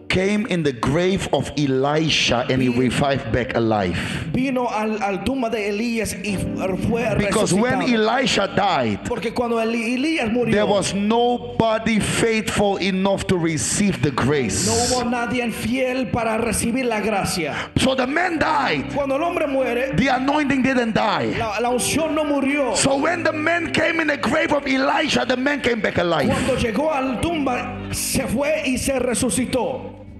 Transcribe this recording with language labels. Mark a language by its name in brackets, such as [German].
[English] came in the grave of Elisha and he revived back alive. [Spanish] Vino al tumba de Elías y fue resucitado. [English] Because when Elisha died, [Spanish] porque cuando Elías murió, [English] there was nobody faithful enough to receive the grace. [Spanish] No hubo nadie fiel para recibir la gracia. [English] So the man died. [Spanish] Cuando el hombre muere, [English] the anointing didn't die. [Spanish] La unción no murió. [English] So when the man came in the grave of Elisha, the man came back alive. [Spanish] Cuando llegó al tumba, se fue y se resucitó.